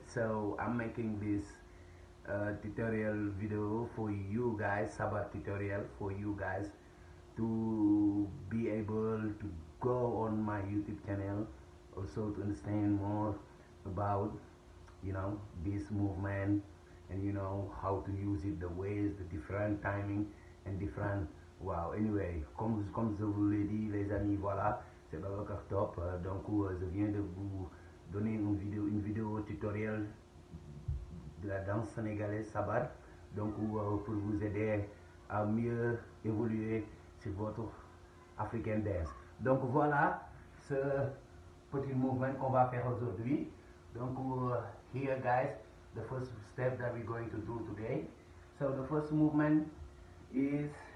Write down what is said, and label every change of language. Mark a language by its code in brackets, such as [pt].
[en] So I'm making this tutorial video for you guys, Sabar tutorial for you guys to be able to go on my YouTube channel, also to understand more about, you know, this movement and you know how to use it, the ways, the different timing and different. [fr] Wow, anyway, comme je vous l'ai dit, les amis, voilà, c'est Babacar Top. Donc, je viens de vous donner une vidéo tutoriel de la danse sénégalaise Sabar. Donc, pour vous aider à mieux évoluer sur votre African dance. Donc, voilà ce petit mouvement qu'on va faire aujourd'hui. [en] Donc, here, guys, the first step that we're going to do today. So, the first movement is.